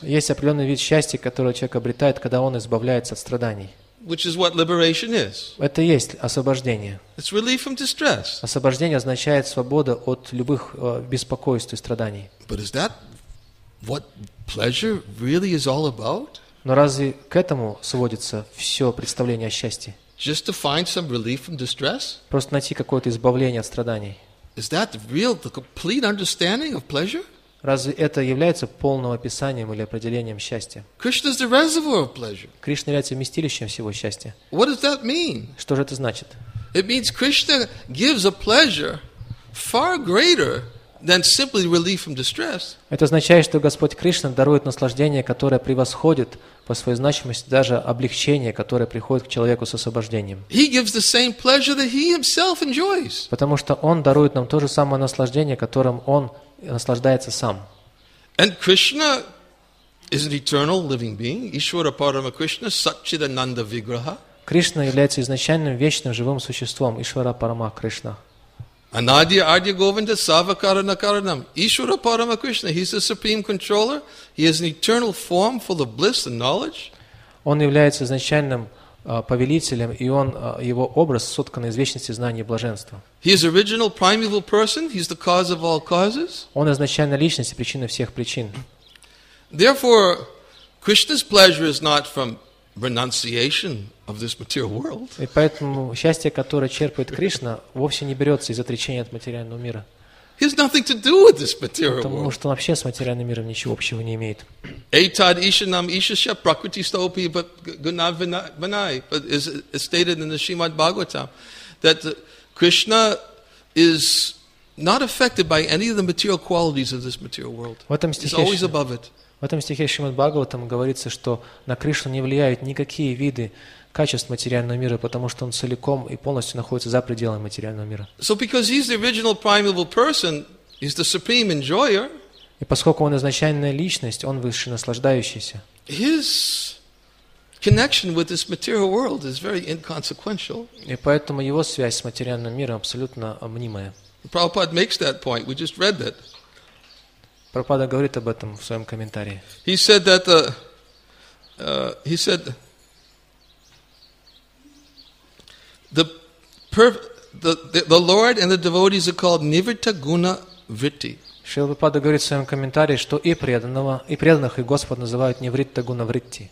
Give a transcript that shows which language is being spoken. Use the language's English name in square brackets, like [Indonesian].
[Russian] Есть определенный вид счастья, который человек обретает, когда он избавляется от страданий. [English] Which is what liberation is. [Russian] Это есть освобождение. [English] It's relief from distress. [Russian] Освобождение означает свобода от любых беспокойств и страданий. [English] But is that what pleasure really is all about? [Russian] Но разве к этому сводится все представление о счастье? [English] Just to find some relief from distress? [Russian] Просто найти какое-то избавление от страданий. [English] Is that real, the complete understanding of pleasure? [Russian] Разве это является полным описанием или определением счастья? [English] Krishna is the reservoir of pleasure. [Russian] Кришна является вместилищем всего счастья. [English] What does that mean? [Russian] Что же это значит? [English] It means Krishna gives a pleasure far greater than simply relief from distress. [Russian] Это означает, что Господь Кришна дарует наслаждение, которое превосходит по своей значимости даже облегчение, которое приходит к человеку с освобождением. [English] He gives the same pleasure that he himself enjoys. [Russian] Потому что Он дарует нам то же самое наслаждение, которым Он наслаждается сам. [English] And Krishna is an eternal living being, [Sanskrit] Ishvara Parama Krishna, Satchidananda Vigraha. [Russian] Кришна является изначальным вечным живым существом, [Sanskrit] Ishvara Parama Krishna. Anadya Ardya Govinda Savakarana Karanam. Ishvara Parama Krishna, [English] He is the supreme controller. He is an eternal form full of bliss and knowledge. [Russian] Он является изначальным повелителем, и он его образ соткан из вечности знания и блаженства. [English] He is original primeval person, He is the cause of all causes. [Russian] Он изначальная личность и причина всех причин. [English] Therefore, Krishna's pleasure is not from renunciation of this material world. [Russian] И поэтому счастье, которое черпает Кришна, вовсе не берется из отречения от материального мира. [English] He has nothing to do with this material world. [Russian] Потому что он вообще с материальным миром ничего общего не имеет. [Sanskrit] Этад ишанам ишаша пракрити стопи гунав винай. [English] But is stated in the Srimad Bhagavatam that Krishna is not affected by any of the material qualities of this material world. He's always above it. [Russian] В этом стихе Шримад Бхагаватам говорится, что на Кришну не влияют никакие виды качеств материального мира, потому что он целиком и полностью находится за пределами материального мира. [English] So because he's the original primeval person, he's the supreme enjoyer. [Russian] И поскольку он изначальная личность, он высший наслаждающийся. [English] His connection with this material world is very inconsequential. [Russian] И поэтому его связь с материальным миром абсолютно мнимая. [English] Prabhupada makes that point. We just read that. [Russian] Прабхупада говорит об этом в своем комментарии. [English] He said that he said the Lord and the devotees are called [Sanskrit] nivritta guna vritti. [Russian] Шрила Прабхупада говорит в своем комментарии, что и преданного, и преданных, и Господь называют [Sanskrit] nivritta guna vritti.